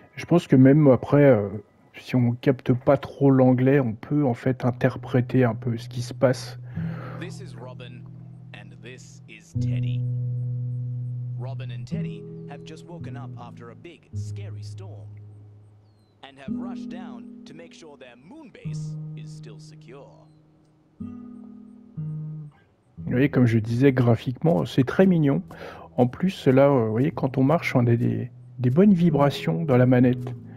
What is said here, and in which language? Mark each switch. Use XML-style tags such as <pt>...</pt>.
<fr>Je pense que même après, si on capte pas trop l'anglais, on peut en fait interpréter un peu ce qui se passe.</fr> <en>This is Robin, and this is Teddy. Robin and Teddy have just woken up after a big, scary storm, and have rushed down to make sure their moon base is still secure.</en> <fr>Vous voyez, comme je disais, graphiquement, c'est très mignon. En plus, là, vous voyez, quand on marche, on a des bonnes vibrations dans la manette.</fr>